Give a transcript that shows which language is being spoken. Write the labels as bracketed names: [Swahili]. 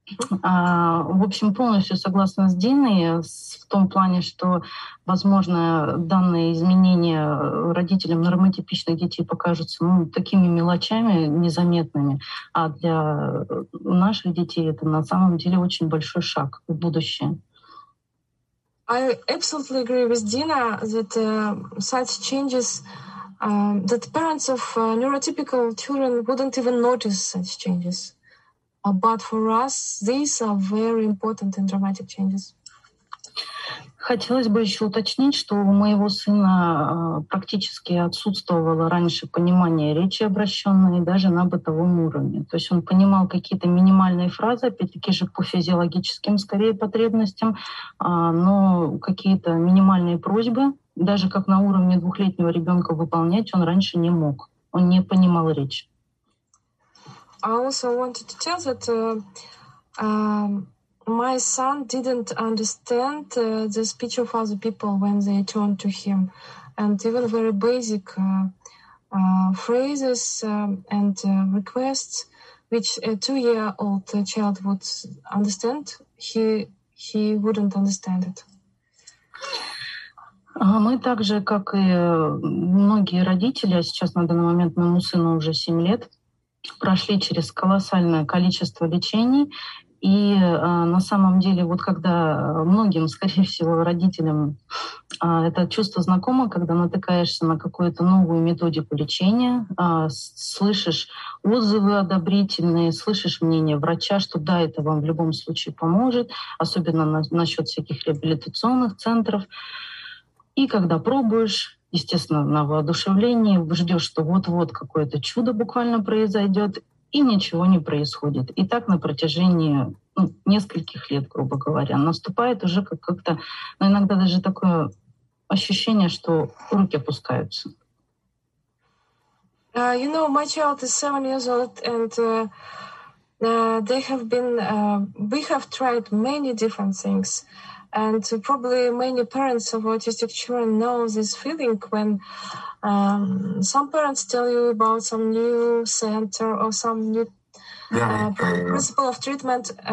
[Russian] В общем, полностью согласна с Диной в том плане, что, возможно, данные изменения родителям нормотипичных детей покажутся такими мелочами, незаметными, а для наших детей это на самом деле очень большой шаг в будущее. [English] I absolutely agree with Dina that such changes, that parents of neurotypical children wouldn't even notice such changes. But for us, these are very important and dramatic changes. [Russian] Хотелось бы еще уточнить, что у моего сына практически отсутствовало раньше понимание речи обращенной даже на бытовом уровне. То есть он понимал какие-то минимальные фразы, опять-таки же по физиологическим скорее потребностям, но какие-то минимальные просьбы, даже как на уровне двухлетнего ребенка выполнять, он раньше не мог. Он не понимал речь. [English] I also wanted to tell that my son didn't understand the speech of other people when they turned to him. And even very basic phrases and requests, which a two-year-old child would understand, he wouldn't understand it. [Russian] Мы также, как и многие родители, сейчас на данный момент моему сыну уже 7 лет, прошли через колоссальное количество лечений. И на самом деле, вот когда многим, скорее всего, родителям это чувство знакомо, когда натыкаешься на какую-то новую методику лечения, слышишь отзывы одобрительные, слышишь мнение врача, что да, это вам в любом случае поможет, особенно насчет всяких реабилитационных центров. И когда пробуешь, естественно, на воодушевлении, ждешь, что вот-вот какое-то чудо буквально произойдет, и ничего не происходит. И так на протяжении нескольких лет, грубо говоря, наступает уже как-то, иногда даже такое ощущение, что руки опускаются. [English] You know, my child is 7 years old, and they have been, we have tried many different things. And probably many parents of autistic children know this feeling when some parents tell you about some new center or some new principle of treatment.